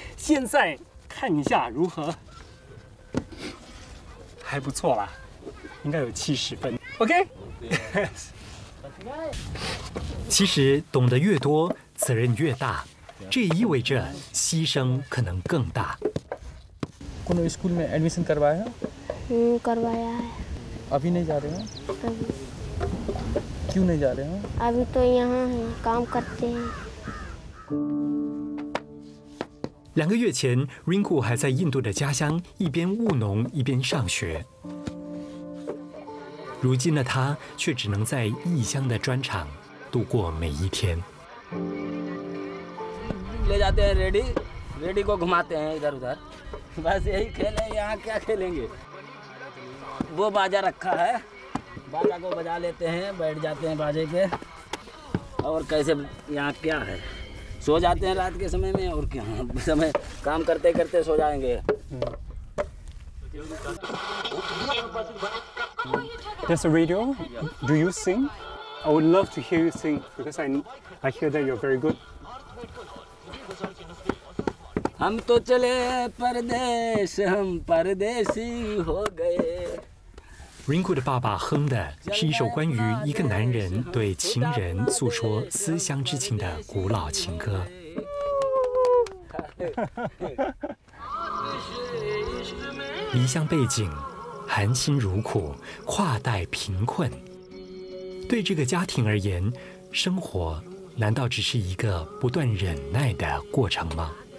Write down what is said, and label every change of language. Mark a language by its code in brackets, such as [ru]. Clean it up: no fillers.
[zh] 现在看一下如何，还不错啦，应该有70分。 [en] OK。 [zh] 其实懂得越多，责任越大，这意味着牺牲可能更大。 [hi] कौन सी स्कूल में एडमिशन करवाया? करवाया है। अभी नहीं जा रहे हैं? अभी। क्यों नहीं जा रहे हैं? अभी तो यहाँ हैं, काम करते हैं。 [zh] 两个月前 ，Rinku 还在印度的家乡一边务农一边上学。如今的他却只能在异乡的砖厂度过每一天。 [hi] ले जाते हैं रेडी, रेडी को घुमाते हैं इधर उधर, बस यही खेलें, यहाँ क्या खेलेंगे? वो बाजा रखा है, बाजा को बजा लेते हैं, बैठ जाते हैं बाजे के, और कैसे यहाँ क्या है? सो जाते हैं रात के समय में और क्या? समय काम करते करते सो जाएंगे。 [en] There's a radio. Do you sing? I would love to hear you sing because I hear that you're very good. [hi] हम तो चले परदेश, हम परदेशी हो गए。 [zh] Rinku 的爸爸哼的是一首关于一个男人对情人诉说思乡之情的古老情歌。离乡背井，含辛茹苦，跨代贫困，对这个家庭而言，生活难道只是一个不断忍耐的过程吗？